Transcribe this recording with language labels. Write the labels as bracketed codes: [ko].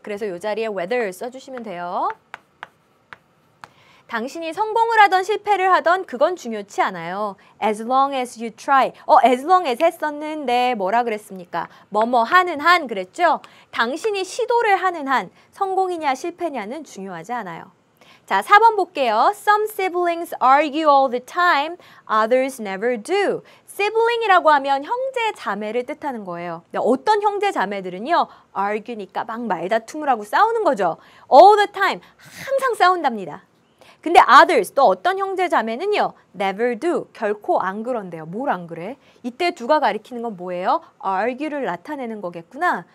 [ko] 그래서 이 자리에 whether 써주시면 돼요. 당신이 성공을 하든 실패를 하든 그건 중요치 않아요. [en] As long as you try. 어, as long as [ko] 했었는데 뭐라 그랬습니까? 뭐뭐 하는 한 그랬죠? 당신이 시도를 하는 한 성공이냐 실패냐는 중요하지 않아요. 자, 4번 볼게요. [en] Some siblings argue all the time, others never do. [ko] Sibling이라고 하면 형제 자매를 뜻하는 거예요. 어떤 형제 자매들은요, argue니까 막 말다툼을 하고 싸우는 거죠. [en] All the time, [ko] 항상 싸운답니다. 근데 others, 또 어떤 형제 자매는요, [en] never do, [ko] 결코 안 그런대요. 뭘 안 그래? 이때 두가 가리키는 건 뭐예요? argue를 나타내는 거겠구나.